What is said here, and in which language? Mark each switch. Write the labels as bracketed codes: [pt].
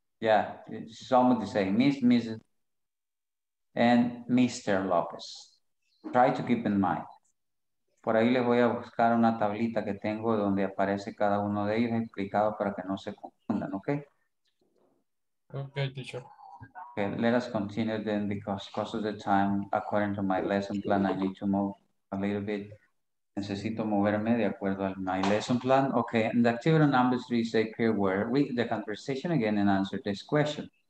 [en] Yeah, it's almost the same. Miss, Miss, and Mr. Lopez. Try to keep in mind. [es] Por ahí les voy a buscar una tablita que tengo donde aparece cada uno de ellos explicado para que no se confundan, ¿ok? [en] Ok, teacher. Okay, let us continue then because of the time, according to my lesson plan, I need to move a little bit [es] Necesito moverme de acuerdo al [en] my lesson plan. Okay, and the activity number 3 say, okay, where read the conversation again and answer this question.